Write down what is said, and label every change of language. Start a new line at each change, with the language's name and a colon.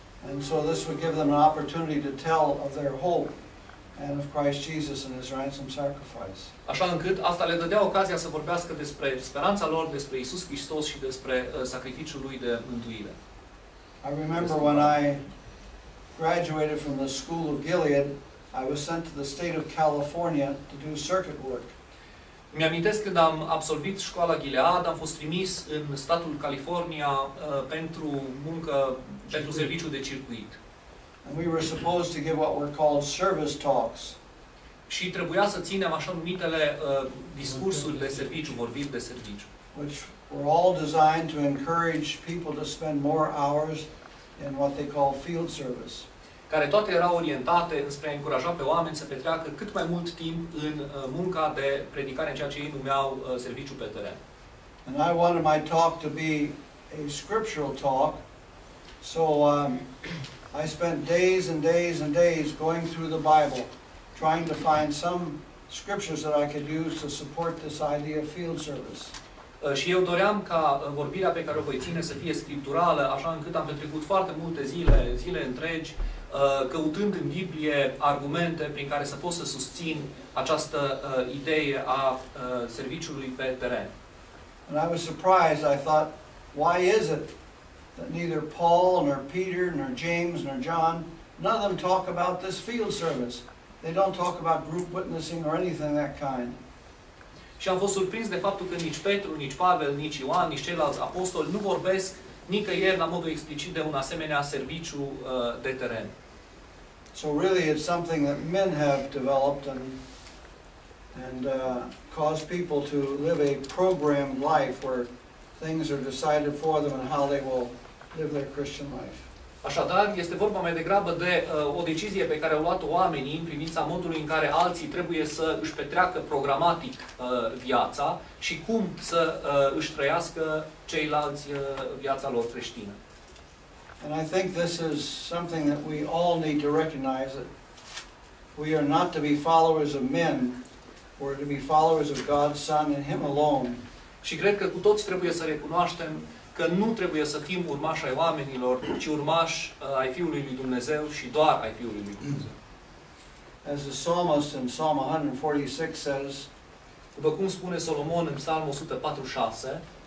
English: And so this would give them an opportunity to tell of their hope and of Christ Jesus and his ransom sacrifice.
Romanian: Așa încât asta le dădea ocazia să vorbească despre speranța lor, despre Iisus Hristos și despre sacrificiul lui de mântuire.
English: I remember when I graduated from the School of Gilead, I was sent to the state of California to do circuit work.
Romanian: Mi amintesc când am absolvit școala Gilead, am fost trimis în statul California pentru muncă, pentru serviciu de circuit.
English: And we were supposed to give what were called service talks.
Romanian: Și trebuia să ținem așa numitele discursuri de serviciu, vorbiri de serviciu.
English: Which were all designed to encourage people to spend more hours in what they call field service.
Romanian: Care toate erau orientate înspre a încuraja pe oameni să petreacă cât mai mult timp în munca de predicare, în ceea ce ei numeau serviciu pe teren.
English: And I wanted my talk to be a scriptural talk. So I spent days and days and days going through the Bible, trying to find some scriptures that I could use to support this idea of field service.
Romanian: Și eu doream ca vorbirea pe care o voi ține să fie scripturală, așa încât am petrecut foarte multe zile, zile întregi, căutând în Biblie argumente prin care să pot să susțin această idee a serviciului pe teren.
English: And I was surprised. I thought, why is it that neither Paul nor Peter nor James nor John, none of them talk about this field service? They don't talk about group witnessing or anything of that kind.
Romanian: Și am fost surprins de faptul că nici Petru, nici Pavel, nici Ioan, nici ceilalți apostoli nu vorbesc nicăieri la modul explicit de un asemenea serviciu de teren.
English: So really it's something that men have developed and and cause people to live a programmed life where things are decided for them and how they will live their Christian life.
Romanian: Așadar, este vorba mai degrabă de o decizie pe care au luat-o oamenii în privința modului în care alții trebuie să își petreacă programatic viața și cum să își trăiască ceilalți viața lor creștină.
English: And I think this is something that we all need to recognize, that we are not to be followers of men, we're to be followers of God's Son and Him alone.
Romanian: Și cred că cu toți trebuie să recunoaștem că nu trebuie să fim urmași ai oamenilor, ci urmași ai Fiului lui Dumnezeu și doar ai Fiului lui Dumnezeu.
English: As the psalmist in Psalm 146 says,
Romanian: după cum spune Solomon în Psalm 146,